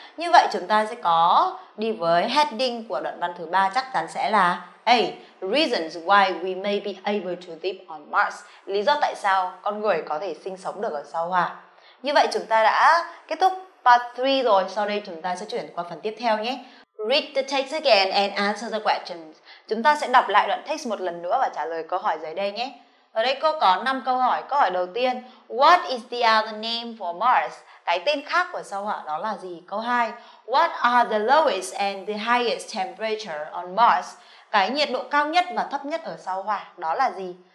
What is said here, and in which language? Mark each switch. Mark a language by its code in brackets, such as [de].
[vi] Như vậy chúng ta sẽ có đi với heading của đoạn văn thứ 3 chắc chắn sẽ là A, [en] reasons why we may be able to live on Mars, [vi] lý do tại sao con người có thể sinh sống được ở sao Hỏa. Như vậy chúng ta đã kết thúc part 3 rồi, sau đây chúng ta sẽ chuyển qua phần tiếp theo nhé. [en] Read the text again and answer the questions. [vi] Chúng ta sẽ đọc lại đoạn text một lần nữa và trả lời câu hỏi dưới đây nhé. Ở đây cô có 5 câu hỏi. Câu hỏi đầu tiên, [en] what is the other name for Mars? [vi] Cái tên khác của sao Hỏa đó là gì? Câu 2, [en] what are the lowest and the highest temperature on Mars? [vi] Cái nhiệt độ cao nhất và thấp nhất ở sao Hỏa đó là gì?